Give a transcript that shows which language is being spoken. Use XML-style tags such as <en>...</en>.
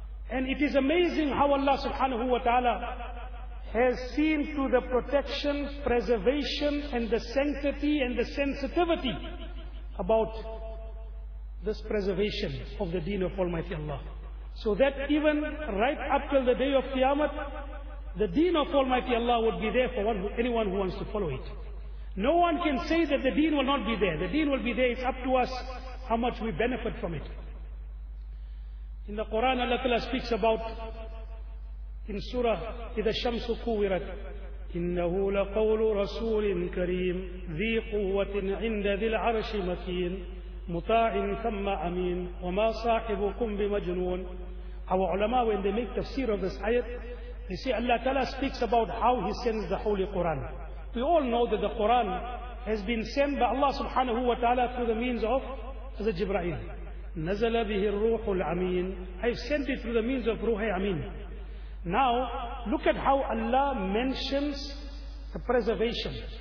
<en>And it is amazing how Allah subhanahu wa ta'ala has seen to the protection, preservation, and the sanctity and the sensitivity about this preservation of the deen of Almighty Allah. So that even right up till the day of Qiyamah, the deen of Almighty Allah would be there for anyone who wants to follow it. No one can say that the deen will not be there. The deen will be there. It's up to us how much we benefit from it. In the Quran, Allah Ta'ala speaks about in surah,</en> <ar>إِذَا الشَّمْسُ كُوِّرَتْ إِنَّهُ لَقَوْلُ رَسُولٍ كَرِيمٍ ذِي قُوَّةٍ عِنْدَ ذِي الْعَرْشِ مَكِينٍ مُطَاعٍ ثَمَّ أَمِينٍ وَمَا صَاحِبُكُمْ بِمَجْنُونٍ.</ar> <en>Our ulama, when they make tafsir of this ayat, they say Allah Ta'ala speaks about how He sends the Holy Quran. We all know that the Quran has been sent by Allah subhanahu wa ta'ala through the means of Hazrat Jibra'il.</en> <ar>نَزَلَ بِهِ الرُّوحُ الْعَمِينَ.</ar> <en>I've sent it through the means of Ruhi Amin. Now, look at how Allah mentions the preservation.</en>